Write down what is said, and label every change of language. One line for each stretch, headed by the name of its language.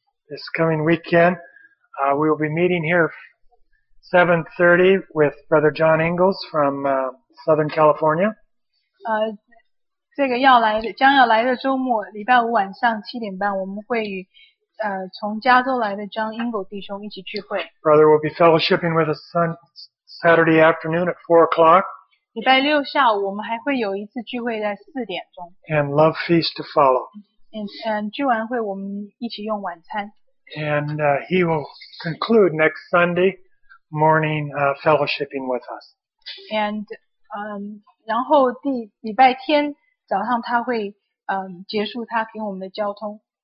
English: This coming weekend, we will be meeting here 7:30 with Brother John Ingalls from Southern California.
Chinese: 这个要来的将要来的周末礼拜五晚上七点半我们会与从加州来的 John Ingle 弟兄一起聚会。
English: Brother will be fellowshipping with us Saturday afternoon at 4 o'clock.
Chinese: 礼拜六下午我们还会有一次聚会在四点钟。
English: And love feast to follow.
Chinese: And 聚完会我们一起用晚餐。
English: And he will conclude next Sunday morning fellowshipping with us.
Chinese: And 然后礼拜天早上他会结束他给我们的交通。